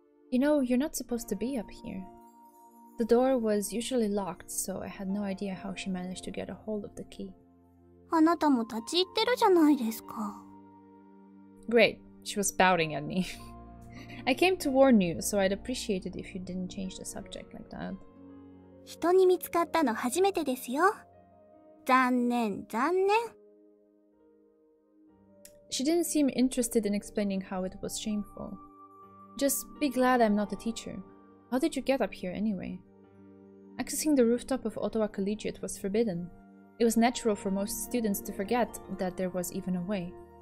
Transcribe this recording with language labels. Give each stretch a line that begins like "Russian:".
English: You know, you're not supposed to be up here. The door was usually locked, so I had no idea how she managed to get a hold of the key.
Japanese: あなたも立ち入ってるじゃないですか。
English: Great, she was pouting at me. I came to warn you, so I'd appreciate it if you didn't change the subject like that.
Japanese: 人に見つかったの初めてですよ。残念、残念。
English: She didn't seem interested in explaining how it was shameful. Just be glad I'm not a teacher. How did you get up here anyway? Accessing the rooftop of Ottawa Collegiate was forbidden. It was natural for most students to forget that there was even a way.